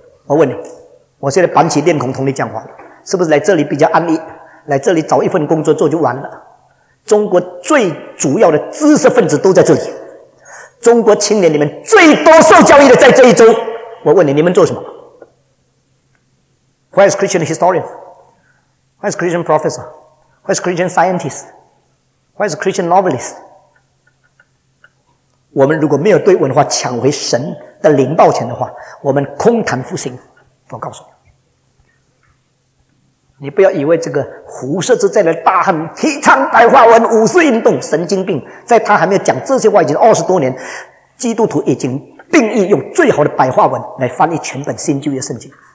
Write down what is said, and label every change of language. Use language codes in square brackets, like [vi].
[zh] 我问你，我现在板起脸孔同你讲话，是不是来这里比较安逸，来这里找一份工作做就完了？中国最主要的知识分子都在这里，中国青年里面最多受教育的在这一周。我问你，你们做什么？ [en] Where is Christian historian? Where is Christian professor? Where is Christian scientist? Where is Christian novelist? [zh] 我们如果没有对文化抢回神的领导权的话，我们空谈复兴。我告诉你，你不要以为这个胡适之在的大汉提倡白话文五四运动神经病，在他还没有讲这些话已经20多年，基督徒已经定义用最好的白话文来翻译全本新旧约圣经。